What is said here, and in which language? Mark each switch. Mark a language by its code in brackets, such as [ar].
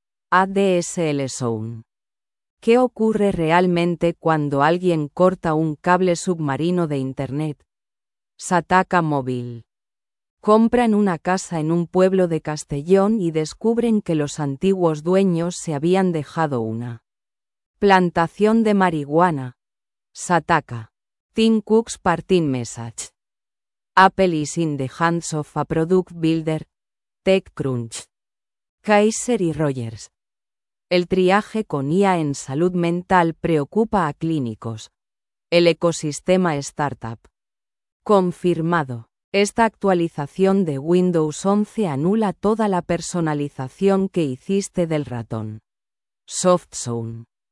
[es] ADSL Zone. ¿Qué ocurre realmente cuando alguien corta un cable submarino de Internet? Sataka Móvil. Compran una casa en un pueblo de Castellón y descubren que los antiguos dueños se habían dejado una plantación de marihuana. [en] Sataka. Tim Cook's Parting Message. Apple is in the hands of a product builder. [es] TechCrunch. Kaiser y Rogers. El triaje con IA en salud mental preocupa a clínicos. El ecosistema startup. Confirmado. Esta actualización de Windows 11 anula toda la personalización que hiciste del ratón. SoftZone.